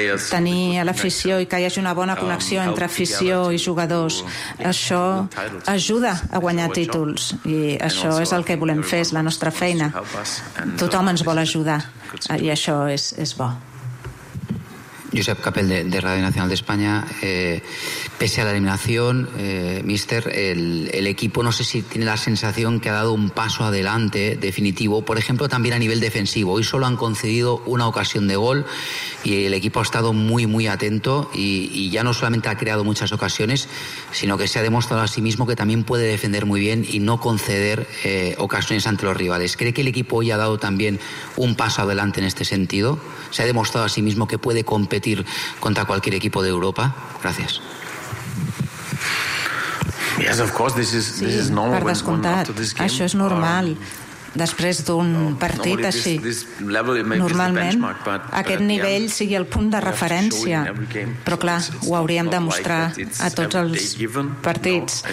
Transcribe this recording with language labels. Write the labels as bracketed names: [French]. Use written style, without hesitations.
[Catalan] tenir a l'afició i que hi hagi una bona connexió entre afició i jugadors. Això ajuda a guanyar títols i això és el que volem fer, és la nostra feina. Tothom ens vol ajudar i això és bo. Josep Capel, de Radio Nacional de España. [Spanish] Pese a la eliminación, mister, el equipo no sé si tiene la sensación que ha dado un paso adelante definitivo, por ejemplo, también a nivel defensivo. Hoy solo han concedido una ocasión de gol y el equipo ha estado muy, muy atento y ya no solamente ha creado muchas ocasiones, sino que se ha demostrado a sí mismo que también puede defender muy bien y no conceder ocasiones ante los rivales. ¿Cree que el equipo hoy ha dado también un paso adelante en este sentido? ¿Se ha demostrado a sí mismo que puede competir contra cualquier equipo de Europa? Gracias. [English] Yes, of course, this is normal. [Catalan] Per descomptat, això és normal. Després d'un partit així, normalment aquest nivell sigui el punt de referència, però clar, ho hauríem de mostrar a tots els partits.